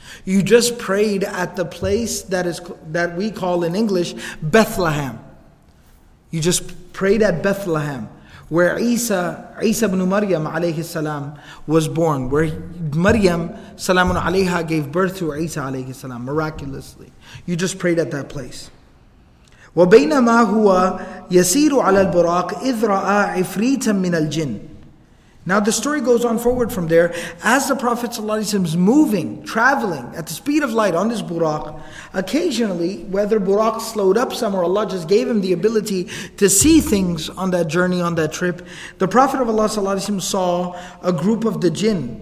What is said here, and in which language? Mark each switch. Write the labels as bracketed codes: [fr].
[en] You just prayed at the place that we call in English Bethlehem. You just prayed at Bethlehem, where Isa ibn Maryam alayhi salam was born, where Maryam salamun alayha gave birth to Isa alayhi salam miraculously. You just prayed at that place. [ar] وبينما هو يسير على البراق إذ رأى عفريتا من الجن. [en] Now the story goes on forward from there. As the Prophet ﷺ is moving, traveling at the speed of light on this buraq, occasionally, whether buraq slowed up some or Allah just gave him the ability to see things on that journey, on that trip, the Prophet of Allah ﷺ saw a group of the jinn.